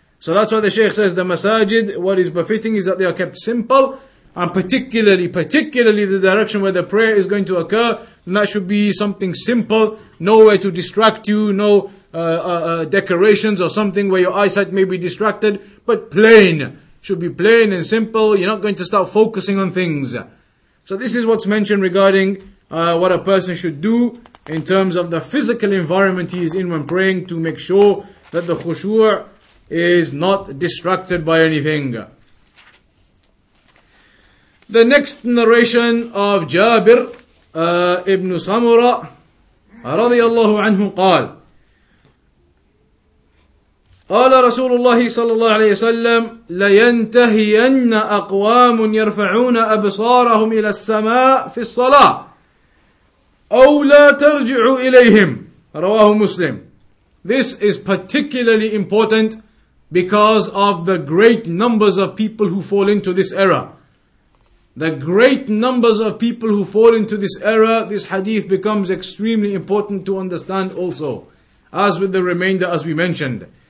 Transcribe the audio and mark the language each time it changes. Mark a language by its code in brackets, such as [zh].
[en] So that's why the Shaykh says the masajid, what is befitting is that they are kept simple, and particularly the direction where the prayer is going to occur, and that should be something simple, nowhere to distract you, no decorations or something where your eyesight may be distracted, but plain, should be plain and simple, you're not going to start focusing on things. So this is what's mentioned regarding what a person should do in terms of the physical environment he is in when praying, to make sure that the khushu' is not distracted by anything. The next narration of Jabir ibn Samura radiallahu anhu qal, [ar] قال رسول الله صلى الله عليه وسلم لينتهين أقوام يرفعون أبصارهم إلى السماء في الصلاة أو لا ترجع إليهم. رواه مسلم. [en] This is particularly important because of the great numbers of people who fall into this error. The great numbers of people who fall into this error, this hadith becomes extremely important to understand also, as with the remainder as we mentioned.